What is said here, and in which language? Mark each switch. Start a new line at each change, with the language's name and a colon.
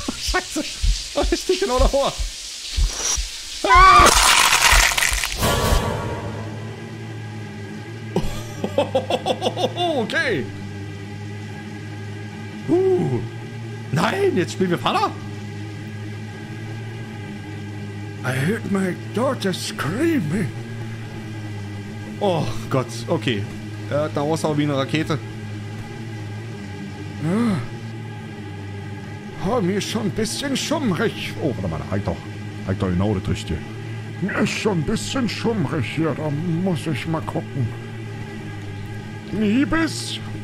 German: Scheiße, oh, ich stehe genau davor. Ah! Okay. Nein, jetzt spielen wir Vater.
English: I heard my daughter screaming.
German: Oh Gott, okay. Er hat da aussah wie eine Rakete. Ah. Oh, mir ist schon ein bisschen schummrig. Oh, warte mal, halt doch. Halt doch genau das Richtige. Mir ist schon ein bisschen schummrig hier. Da muss ich mal gucken. Liebes?